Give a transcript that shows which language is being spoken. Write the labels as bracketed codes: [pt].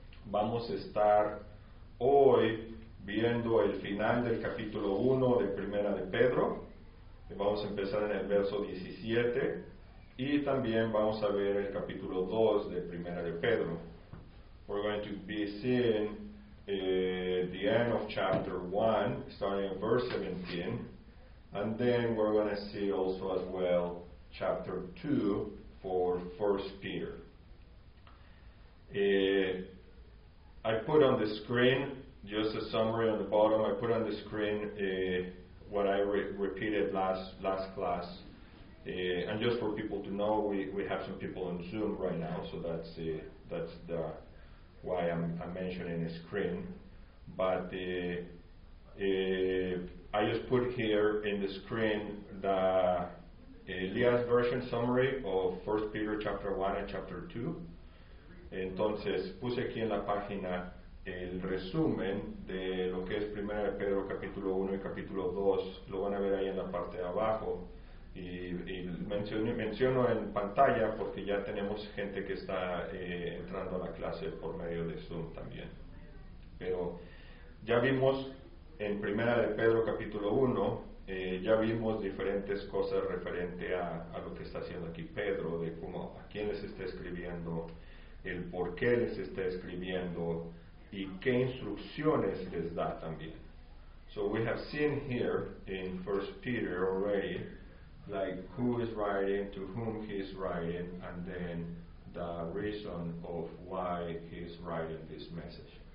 [es] Vamos a estar hoy viendo el final del capítulo 1 de Primera de Pedro. Vamos a empezar en el verso 17 y también vamos a ver el capítulo 2 de Primera de Pedro. [en] We're going to be seeing the end of chapter 1, starting at verse 17. And then we're going to see also as well chapter 2 for 1 Peter. I put on the screen, just a summary on the bottom, I put on the screen what I repeated last class. And just for people to know, we have some people on Zoom right now, so that's why I'm mentioning the screen. I just put here in the screen the Elias version summary of 1 Peter chapter 1 and chapter 2. [es] Entonces, puse aquí en la página el resumen de lo que es 1 Pedro capítulo 1 y capítulo 2. Lo van a ver ahí en la parte de abajo. Y menciono en pantalla porque ya tenemos gente que está entrando a la clase por medio de Zoom también. Pero ya vimos en Primera de Pedro capítulo 1, ya vimos diferentes cosas referente a lo que está haciendo aquí Pedro, de cómo, a quién les está escribiendo, el por qué les está escribiendo y qué instrucciones les da también. [en] So we have seen here in 1 Peter already, like who is writing, to whom he is writing, and then the reason of why he is writing this message.